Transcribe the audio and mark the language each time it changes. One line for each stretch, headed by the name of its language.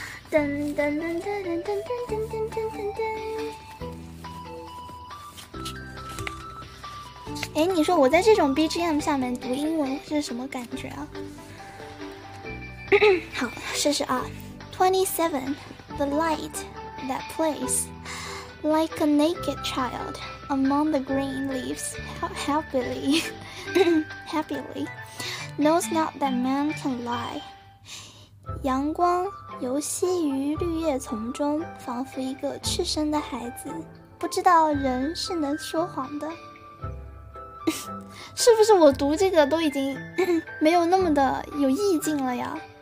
Chinese: 噔噔噔噔噔噔噔噔噔噔噔噔。哎，你说我在这种 BGM 下面读英文是什么感觉啊？好，试试啊。
English: 27 The light that plays like a naked child among the green leaves happily happily knows not that man can lie.
Chinese: 阳光游戏于绿叶丛中，仿佛一个赤身的孩子，不知道人是能说谎的。是不是我读这个都已经没有那么的有意境了呀？